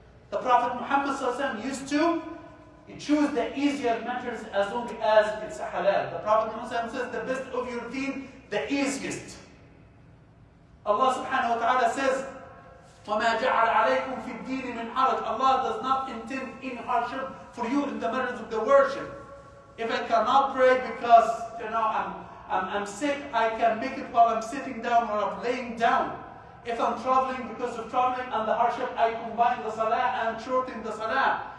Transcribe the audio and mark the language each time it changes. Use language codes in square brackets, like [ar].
[en] The Prophet Muhammad used to choose the easier matters as long as it's a halal. The Prophet Muhammad says, the best of your deen, the easiest. Allah subhanahu wa ta'ala says, [ar] وَمَا جَعَلْ عَلَيْكُمْ فِي الدِّينِ مِنْ حَرَجٍ. [en] Allah does not intend any hardship for you in the matters of the worship. If I cannot pray because, you know, I'm sick, I can make it while I'm sitting down or I'm laying down. If I'm traveling, because of traveling and the hardship, I combine the salah and shorten the salah.